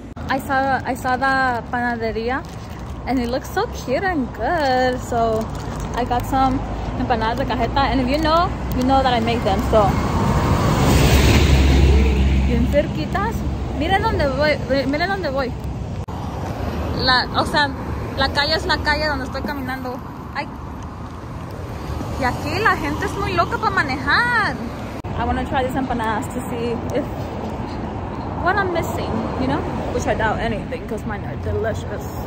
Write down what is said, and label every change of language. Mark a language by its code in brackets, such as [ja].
[en] I saw the panaderia, and it looks so cute and good. So I got some [es] empanadas de cajeta, [en] and if you know that I make them, so. [es] Bien cerquitas. Miren donde voy. La, o sea, La calle es la calle donde estoy caminando. Ay. Y aquí la gente es muy loca para manejar. [en] I want to try these empanadas to see if what I'm missing, you know? Which I doubt anything because mine are delicious.